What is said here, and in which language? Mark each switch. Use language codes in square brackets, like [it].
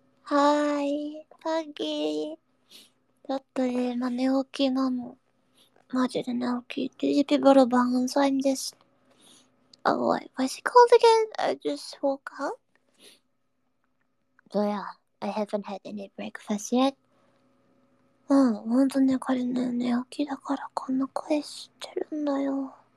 [ja] はーい、パギー。ちょっと今寝起きなの。マジで寝起き。 [en] These people are bound, so I'm just awake. Was he called again? I just woke up. So yeah, I haven't had any breakfast yet. [ja] ほんとね、彼ね、寝起きだからこんな声してるんだよ。